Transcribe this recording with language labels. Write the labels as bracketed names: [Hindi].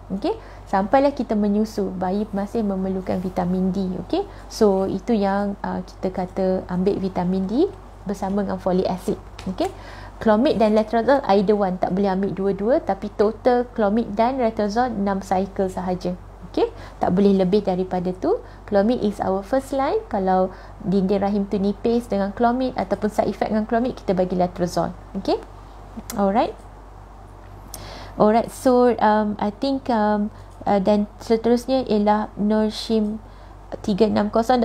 [Malay] Okay, sampailah kita menyusu, bayi masih memerlukan vitamin D. Okay, so itu yang kita kata ambil vitamin D bersama dengan folic acid. Okay, clomid dan letrozole [English] either one, [Malay] tak boleh ambil dua-dua, tapi total clomid dan letrozole 6 cycle sahaja. Okay, tak boleh lebih daripada tu. [English] Clomid is our first line. [Malay] Kalau dinding rahim tu nipis dengan clomid ataupun side effect dengan clomid, kita bagi letrozole. [English] Okay, alright. Alright, so I think [Malay] Dan seterusnya ialah Nur Shim 360.